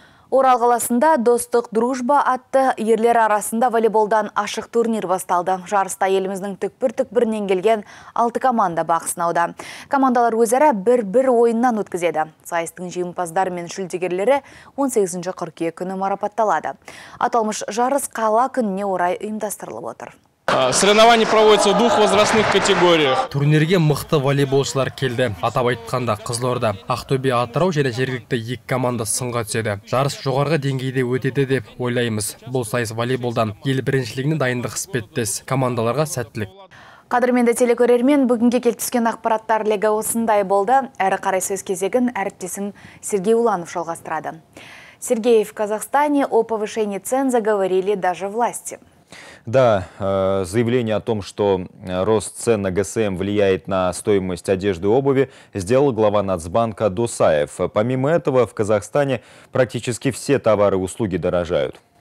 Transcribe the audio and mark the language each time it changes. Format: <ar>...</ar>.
<kk>Орал қаласында «Достық дружба» атты ерлер арасында волейболдан ашық турнир басталды. Жарыста еліміздің түкпір-түкпірінен келген 6 команда бақ сынауда. Командалар өзара бір-бір ойыннан өткізеді. Сайыстың жеңімпаздары мен жүлдегерлері 18 қыркүйек күні марапатталады. Аталмыш жарыс қала күніне орай ұйымдастырылып отыр.</kk> <ru>Соревнования проводятся в двух возрастных категориях.</ru> <kk>Турнирге мықты волейболшылар келді. Атап айтқанда Қызылорда, Ақтөбе, Атырау және жергілікті екі команда сынға түседі. Жарыс жоғарғы деңгейде өтеді деп ойлаймыз. Бұл сайыс волейболдан ел біріншілігіне дайындық іспеттес. Командаларға сәттілік. Қадірменді телекөрермен, бүгінге келтіскен ақпараттар легі осындай болды. Әрі қарай сөз кезегін әріптесім Сергей Уланов жалғастырады.</kk> <ru>Сергей, в Казахстане о повышении цен заговорили даже власти. Да, заявление о том, что рост цен на ГСМ влияет на стоимость одежды и обуви, сделал глава Нацбанка Досаев. Помимо этого, в Казахстане практически все товары и услуги дорожают.</ru>